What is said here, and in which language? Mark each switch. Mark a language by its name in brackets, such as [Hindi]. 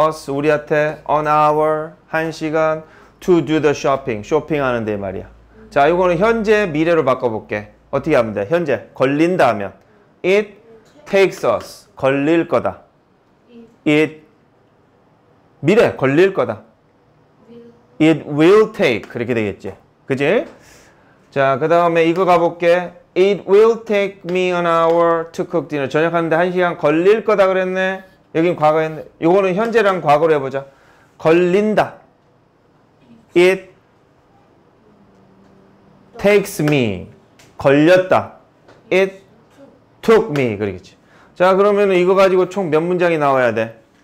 [English] us [Korean] 우리한테 [English] an hour [Korean] 한 시간 [English] to do the shopping [Korean] 쇼핑하는데 말이야. 자, 이거는 현재 미래로 바꿔볼게. 어떻게 하면 돼? 현재 걸린다 하면 [English] it takes us [Korean] 걸릴 거다. it 미래 걸릴 거다. [English] It will take [Korean] 그렇게 되겠지. 그지? 자, 그 다음에 이거 가볼게. [English] It will take me an hour to cook dinner. [Korean] 저녁 하는데 한 시간 걸릴 거다 그랬네. 여긴 과거였네. 이거는 현재랑 과거로 해보자. 걸린다. [English] It takes me [Korean] 걸렸다. [English] It took me [Korean] 그러겠지. 자, 그러면 이거 가지고 총 몇 문장이 나와야 돼?